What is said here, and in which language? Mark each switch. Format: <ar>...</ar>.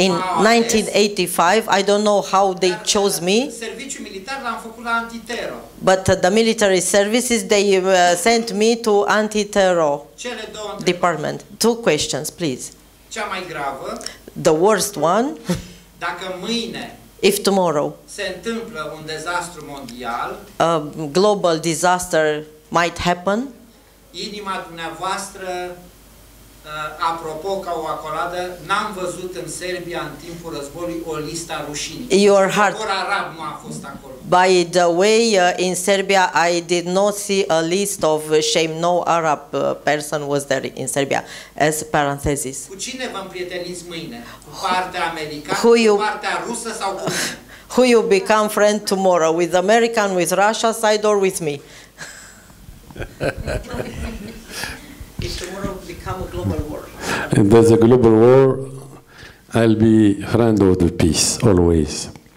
<en>In 1985, I don't know how they chose me.</en> <ro>Serviciul militar l-am făcut la antitero.</ro> <en>But the military services, they sent me to antitero.</en> <ro>Cele două</ro> <en>department. Two questions, please.</en> <ro>Cea mai gravă.</ro> <en>The worst one.</en> <ro>Dacă mâine.</ro> <en>If tomorrow.</en> <ro>Se întâmplă un dezastru mondial.</ro> <en>A global disaster might happen.</en> <ro>Inima dumneavoastră Apropo, ca o acoladă, n-am văzut în Serbia în timpul războiului o listă rușinii.</ro> <en>Your heart.</en> <ro>Popor arab nu a fost acolo.</ro> <en>By the way, in Serbia I did not see a list of shame. No Arab person was there in Serbia. As parenthesis.</en> <ro>Cu cine vă împrieteniți mâine? Cu partea americană, cu partea rusă sau cu...</ro> <en>Who you become friend tomorrow, with American, with Russia side or with me? If tomorrow become a global war. And there's a global war, I'll be friend of the peace, always.</en>